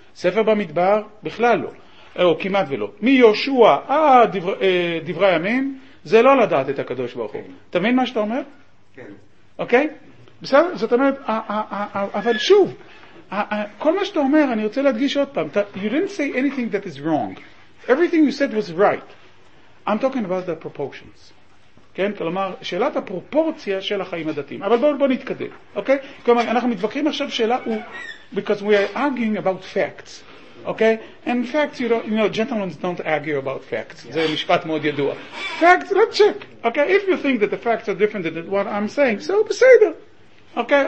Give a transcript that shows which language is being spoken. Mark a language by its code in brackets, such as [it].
[he] ספר במדבר בכלל לא. או כמעט ולא. מיושע עד דברי הימים, זה לא לדעת את הקדוש ברוך הוא. אתה מבין מה שאתה אומר? כן. אוקיי? בסדר? זאת אומרת, אבל שוב, כל מה שאתה אומר, אני רוצה להדגיש עוד פעם, [en] you didn't say anything that is wrong. Everything you said was right. I'm talking about the proportions. [he] כן? כלומר, שאלת הפרופורציה של החיים הדתיים. אבל בואו נתקדם, אוקיי? כלומר, אנחנו מתווכחים עכשיו שאלה, [en] because we are arguing about facts. Okay? And facts, you know, gentlemen don't argue about facts. Yeah. [he] זה משפט מאוד ידוע. [en] Facts, let's check. Okay? If you think that the facts are different than what I'm saying, so בסדר. Okay?